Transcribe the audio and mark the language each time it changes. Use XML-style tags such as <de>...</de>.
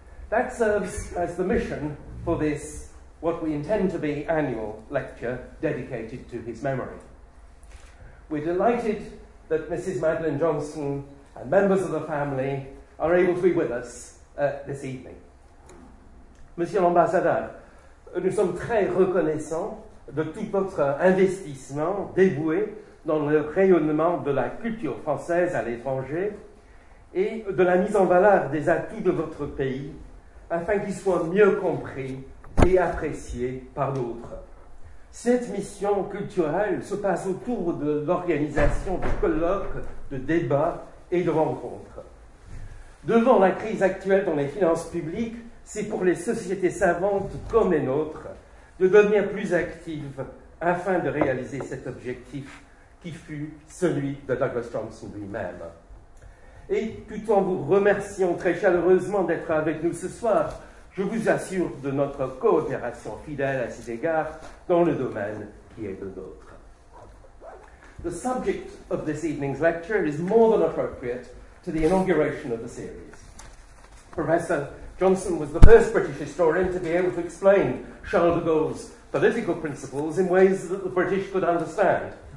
<en>That serves as the mission for this, what we intend to be, annual lecture dedicated to his memory. We're delighted that Mrs. Madeleine Johnson and members of the family are able to be with us this evening.</en> <fr>Monsieur l'Ambassadeur, nous sommes très reconnaissants de tout votre investissement dévoué dans le rayonnement de la culture française à l'étranger et de la mise en valeur des atouts de votre pays afin qu'ils soient mieux compris et appréciés par d'autres. Cette mission culturelle se passe autour de l'organisation de colloques, de débats et de rencontres. Devant la crise actuelle dans les finances publiques, c'est pour les sociétés savantes comme les nôtres de devenir plus actives afin de réaliser cet objectif qui fut celui de Douglas Johnson lui-même. Et tout en vous remerciant très chaleureusement d'être avec nous ce soir, je vous assure de notre coopération fidèle à cet égard dans le domaine qui est le nôtre.</fr> <en>The subject of this evening's lecture is more than appropriate to the inauguration of the series. Professor Johnson was the first British historian to be able to explain Charles de Gaulle's political principles in ways that the British could understand.</en>